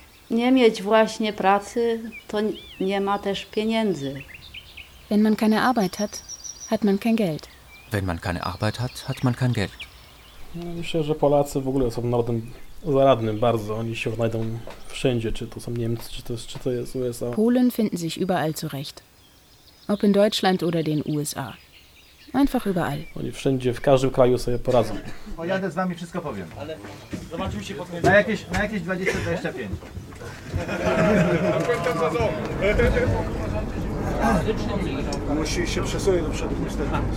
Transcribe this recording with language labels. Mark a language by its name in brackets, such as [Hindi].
[Polish] Nie mieć właśnie pracy, to nie ma też pieniędzy. [German] Wenn man keine Arbeit hat, hat man kein Geld. Wenn man keine Arbeit hat, hat man kein Geld. [Polish] Myślę, że Polacy w ogóle są narodem zaradnym bardzo. Oni się znajdą wszędzie, czy to są Niemcy, czy to jest USA. [German] Polen finden sich überall zurecht. Ob in Deutschland oder den USA. Einfach überall. [Polish] Oni wszędzie, w każdym kraju sobie poradzą. Pojadę z wami, wszystko powiem. Ale zobaczymy się pod niebie. Na jakieś 20-25. Musi się przesunąć do przodu, niestety.